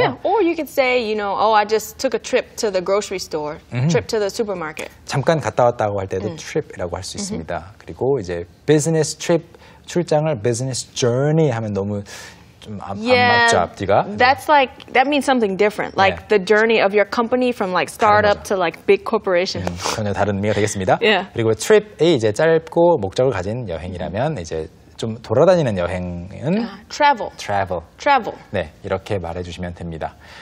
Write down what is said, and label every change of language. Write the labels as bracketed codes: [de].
[en] Yeah, or you could say, you know, oh, I just took a trip to the grocery store, trip to the supermarket. [ko] 잠깐 갔다 왔다고 할 때도 trip이라고 할 수 있습니다. 그리고 이제 business trip, 출장을 business journey 하면 너무 좀 안 맞죠, 앞뒤가. [en] That's like, that means something different. Like the journey of your company from like startup to like big corporation. [ko] 전혀 다른 의미가 되겠습니다. [en] Yeah. [ko] 그리고 trip이 이제 짧고 목적을 가진 여행이라면 이제 좀 돌아다니는 여행은 [en] travel. Travel. Travel. [ko] 네, 이렇게 말해주시면 됩니다.